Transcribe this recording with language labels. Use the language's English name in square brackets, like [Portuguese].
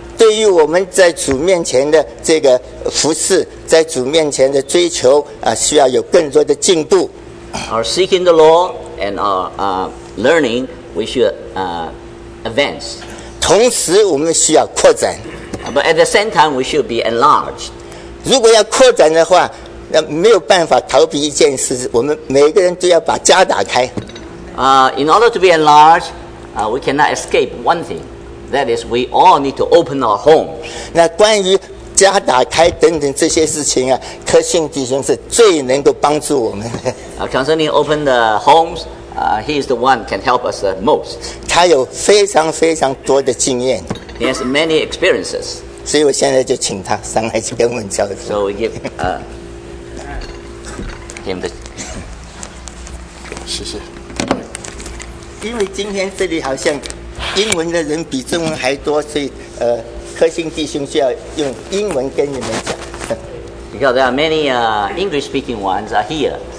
[Chinese] 对于我们在主面前的这个服事，在主面前的追求啊，需要有更多的进步。 [English] Our seeking the law and our learning, we should advance. [Chinese] 同时，我们需要扩展。 [English] But at the same time, we should be enlarged. [Chinese] 如果要扩展的话，那没有办法逃避一件事，我们每个人都要把家打开。 [English] In order to be enlarged, we cannot escape one thing. That is, we all need to open our home. [Chinese] 那关于家打开等等这些事情啊，科信弟兄是最能够帮助我们的。 [English] Concerning open the homes, he is the one can help us the most. [Chinese] 他有非常非常多的经验。 [English] He has many experiences. [Chinese] 所以我现在就请他上来去跟我们交流。 [English] So we give him the. [Chinese] 谢谢。因为今天这里好像。英文的人比中文还多，所以科兴弟兄需要用英文跟你们讲。 [English] because there are many English speaking ones are here.